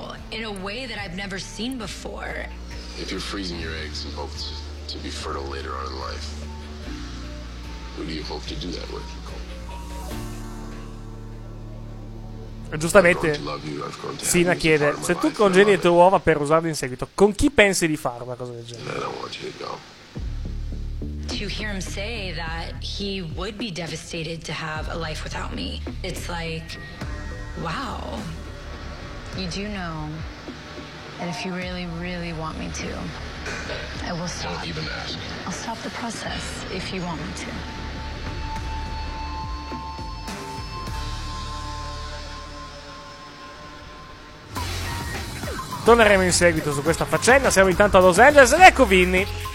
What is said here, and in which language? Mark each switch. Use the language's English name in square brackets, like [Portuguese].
[English] In a way that I've never seen before. If you're freezing your eggs and hope to be fertile later on in life, who do you hope to do that with, Cole? [Italian] Giustamente, Sina chiede: se tu congedi le tue uova per usarle in seguito, con chi pensi di fare una cosa del genere? [English] To hear him say that he would be devastated to have a life without me, it's like, wow. You do know that if you really, really want me to, I will stop. Don't even ask. I'll stop the process if you want me to. [Italian] Torneremo in seguito su questa faccenda. Siamo intanto a Los Angeles ed ecco Vinny.